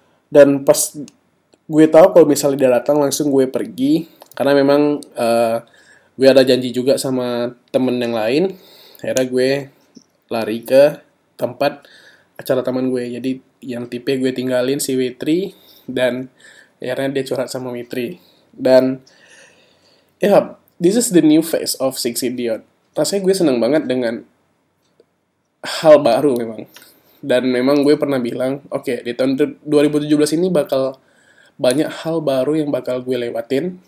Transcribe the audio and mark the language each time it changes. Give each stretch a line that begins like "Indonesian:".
Indonesian: Dan pas gue tahu kalau misalnya dia datang langsung gue pergi. Karena memang gue ada janji juga sama temen yang lain. Akhirnya gue lari ke tempat acara teman gue. Jadi yang Tipe gue tinggalin si Witri. Dan akhirnya dia curhat sama Witri.
English: Dan yeah, this is the new face of Six Idiot.
Indonesian: Rasanya gue seneng banget dengan hal baru memang. Dan memang gue pernah bilang, oke, di tahun 2017 ini bakal banyak hal baru yang bakal gue lewatin.